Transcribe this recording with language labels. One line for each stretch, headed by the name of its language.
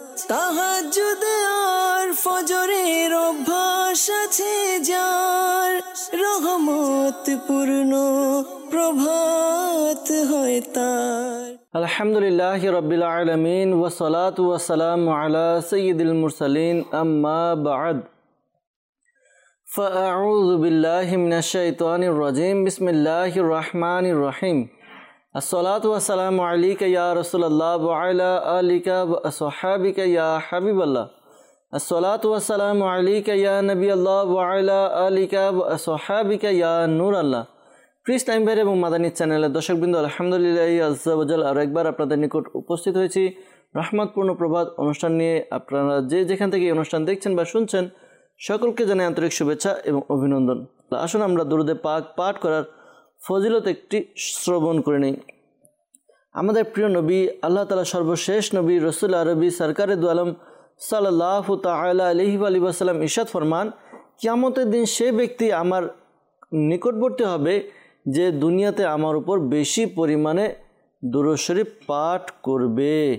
Bangla: তাহাজ্জুদ আর ফজরের অভ্যাস আছে যার, রহমত পূর্ণ প্রভাত হয় তার।
Arabic: আলহামদুলিল্লাহ রাব্বিল আলামিন ওয়া সালাতু ওয়া সালামু আলা সাইয়্যিদিল মুরসালিন আম্মা বা'দ। فأعوذ بالله من الشيطان الرجيم بسم الله الرحمن الرحيم الصلاة والسلام عليك يا رسول الله وعلى آلك وأصحابك يا حبيب الله الصلاة والسلام عليك يا نبي الله وعلى آلك وأصحابك يا نور الله
Bangla: প্রিয় টাইমবের এবং মাদানী চ্যানেলের দর্শকবৃন্দ, আলহামদুলিল্লাহ আজ্জা ওয়া জাল আর একবার আপনাদের নিকট উপস্থিত হয়েছি রহমতপূর্ণ প্রভাত অনুষ্ঠান নিয়ে। আপনারা যে যেখান থেকে অনুষ্ঠান দেখছেন বা শুনছেন সকলকে জানাই আন্তরিক শুভেচ্ছা এবং অভিনন্দন। আসুন আমরা দুরুদে পাক পাঠ করার ফজিলত একটি শ্রবণ করে নিই। আমাদের প্রিয় নবী আল্লাহ তাআলা সর্বশেষ নবী রসুল আরবি সরকারে দুয়ালম সাল্লাল্লাহু তাআলা আলাইহি ওয়া সাল্লাম ইরশাদ ফরমান, কিয়ামতের দিন সে ব্যক্তি আমার নিকটবর্তী হবে যে দুনিয়াতে আমার উপর বেশি পরিমাণে দুরুদ শরীফ পাঠ করবে।